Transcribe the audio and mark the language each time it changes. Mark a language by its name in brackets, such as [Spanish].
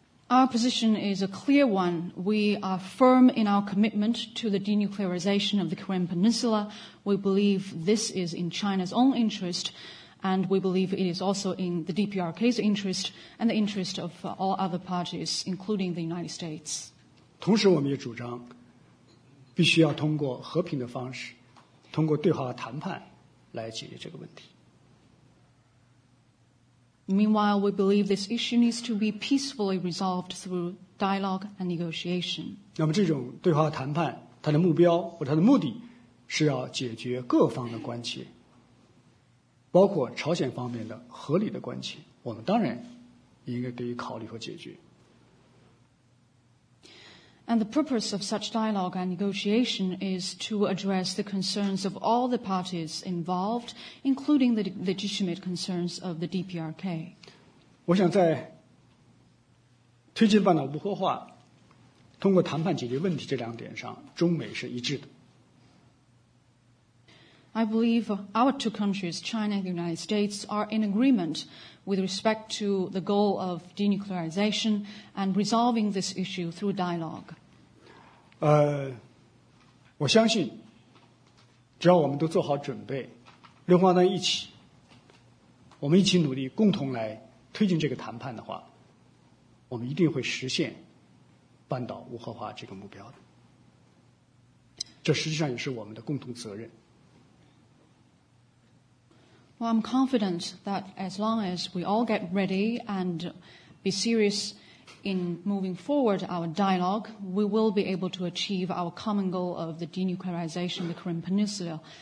[English] Our position is a clear one. We are firm in our commitment to the denuclearization of the Korean Peninsula. We believe this is in China's own interest, and we believe it is also in the DPRK's interest and the interest of all other parties, including the United States. [Chinese] 同时我们也主张必须要通过和平的方式，通过对话谈判来解决这个问题。 [English] Meanwhile, we believe this issue needs to be peacefully resolved through dialogue and negotiation. [Chinese] 那么这种对话谈判，它的目标或它的目的是要解决各方的关切，包括朝鲜方面的合理的关切，我们当然也应该给予考虑和解决。 [English] And the purpose of such dialogue and negotiation is to address the concerns of all the parties involved, including the legitimate concerns of the DPRK. [Chinese] 我想在推进半岛无核化、通过谈判解决问题这两点上，中美是一致的。 [English] I believe our two countries, China and the United States, are in agreement with respect to the goal of denuclearization and resolving this issue through dialogue. [Chinese] 我相信，只要我们都做好准备，六方在一起，我们一起努力，共同来推进这个谈判的话，我们一定会实现半岛无核化这个目标的。这实际上也是我们的共同责任。 [English] Well, I'm confident that as long as we all get ready and be serious in moving forward our dialogue, we will be able to achieve our common goal of the denuclearization of the Korean Peninsula.